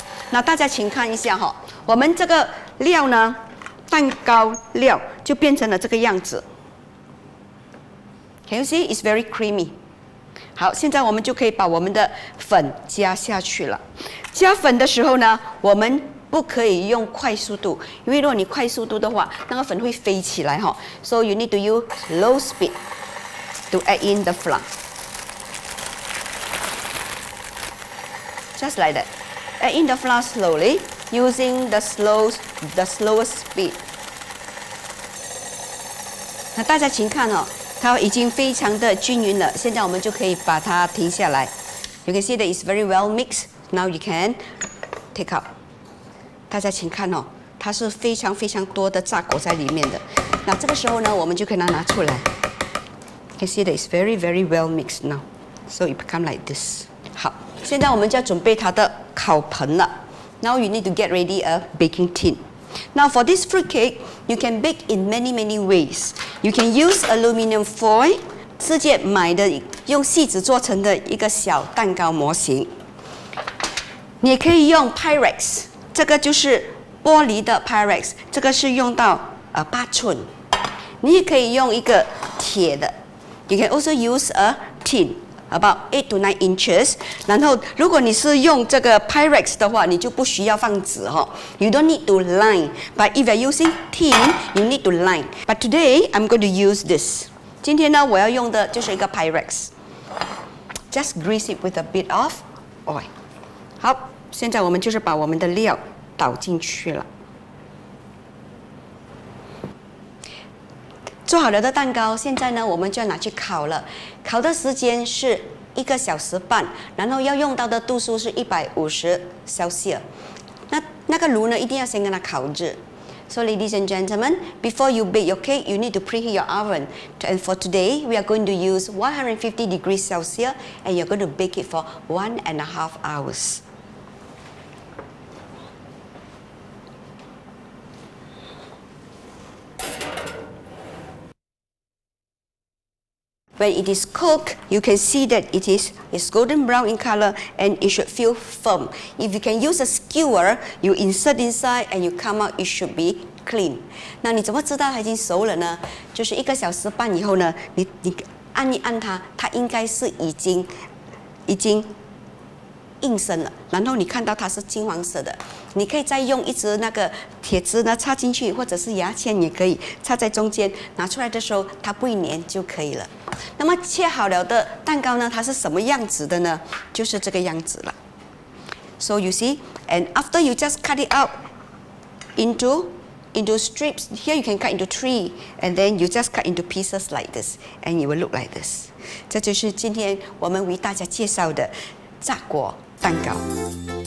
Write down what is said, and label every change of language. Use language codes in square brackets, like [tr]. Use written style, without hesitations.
[zh] 那大家请看一下哈，我们这个料呢，蛋糕料就变成了这个样子。 [en] Can you see? It's very creamy。 [zh] 好，现在我们就可以把我们的粉加下去了。加粉的时候呢，我们不可以用快速度，因为如果你快速度的话，那个粉会飞起来哈。 [en] So you need to use low speed to add in the flour. Just like that, add in the flour slowly using the slowest speed. [zh] 那大家请看哦。它已经非常的均匀了，现在我们就可以把它停下来。 [en] You can see that it's very well mixed. Now you can take out. [zh] 大家请看哦，它是非常非常多的炸果在里面的。那这个时候呢，我们就可以拿出来。 [en] You can see that it's very, very well mixed now. So it become like this. [zh] 好，现在我们就要准备它的烤盆了。 [en] Now you need to get ready a baking tin. Now for this fruit cake, you can bake in many many ways. You can use aluminum foil, [zh] 直接买的用锡纸做成的一个小蛋糕模型。你也可以用 Pyrex, 这个就是玻璃的 Pyrex, 这个是用到8寸。你也可以用一个铁的。 [en] You can also use a tin, about 8 to 9 inches. [zh] 然后如果你是用这个 Pyrex 的话，你就不需要放纸哦。 [en] You don't need to line, but if you're using tin, you need to line. But today, I'm going to use this. [zh] 今天呢，我要用的就是一个 Pyrex. [en] Just grease it with a bit of oil. [zh] 好，现在我们就是把我们的料倒进去了。做好了的蛋糕，现在呢，我们就要拿去烤了。烤的时间是1.5小时，然后要用到的度数是150°C. 那个炉呢，一定要先跟它烤制。 [en] So ladies and gentlemen, before you bake your cake, you need to preheat your oven. And for today, we are going to use 150°C, and you're going to bake it for 1.5 hours. When it is cooked, you can see that it's golden brown in color, and it should feel firm. If you can use a skewer, you insert inside and you come out, it should be clean. [zh] 那你怎么知道它已经熟了呢？就是1.5小时以后呢，你按一按它，它应该是已经硬生了。然后你看到它是金黄色的，你可以再用一支那个铁枝呢插进去，或者是牙签也可以插在中间，拿出来的时候它不粘就可以了。那么切好了的蛋糕呢，它是什么样子的呢？就是这个样子了。 [en] So you see, and after you just cut it out into strips, here you can cut into 3, and then you just cut into pieces like this, and it will look like this. [zh] 这就是今天我们为大家介绍的炸果蛋糕。